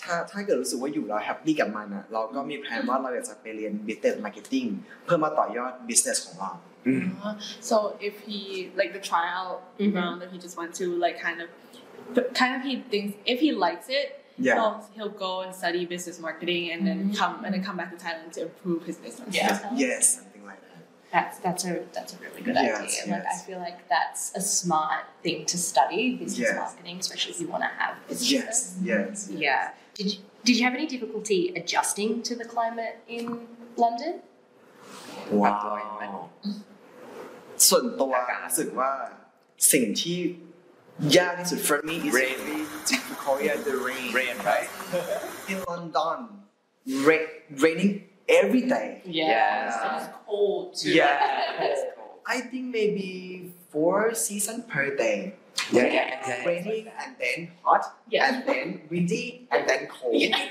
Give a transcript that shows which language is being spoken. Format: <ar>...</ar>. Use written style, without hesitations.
<th>ถ้าเกิดรู้สึกว่าอยู่แล้วแฮปปี้กับมันอ่ะเราก็มีแผนว่าเราอยากจะไปเรียน business marketing เพื่อมาต่อยอด business ของเรา</th> <en>so if he like the trial round that he just went to like kind of he thinks if he likes it Yeah. So he'll go and study business marketing and then come back to Thailand to improve his business. Yeah. Yes, something like that. That's a really good idea. Yes. Like, I feel like that's a smart thing to study, business marketing, especially if you want to have business. Yes. Yeah. Did you have any difficulty adjusting to the climate in London? Wow.</en> <th>ส่วนตัวรู้สึกว่าสิ่งที่</th> <en>Yeah, so for me, it's rain. Really difficult. Yeah, the rain. Rain, right? In London, raining every day. Yeah. It's cold, too. Yeah. It's cold. I think maybe 4 seasons per day. Yeah. Raining and then hot, and then windy, and then cold.</en>